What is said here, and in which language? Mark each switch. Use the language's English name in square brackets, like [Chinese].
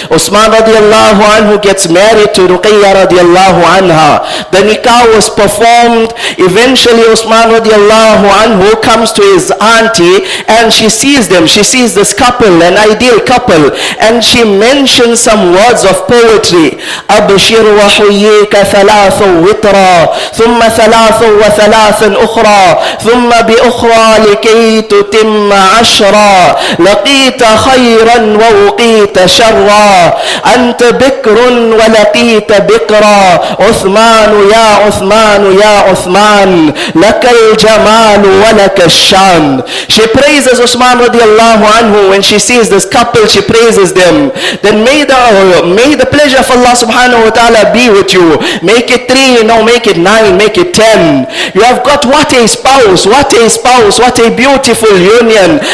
[English] Usman radiallahu anhu gets married to Ruqayya radiallahu anha. The nikah was performed. Eventually Usman radiallahu anhu comes to his auntie and she sees them. She sees this couple, an ideal couple, and she mentions some words of poetry. [Arabic] أبشر وحييك ثلاث وطرا ثم ثلاث وثلاث أخرى ثم بأخرى لكي تتم عشرا لقيت خيرا ووقيت شرا أنت بكر ولقيت بكرا عثمان يا عثمان يا عثمان لك الجمال ولك الشان. [English] She praises Usman radiallahu anhu. When she sees this couple, she praises them. Then may the pleasure of Allah subhanahu wa ta'ala be with you. Make it 3, no, make it 9, make it 10. You have got what a spouse, what a spouse, what a beautiful union.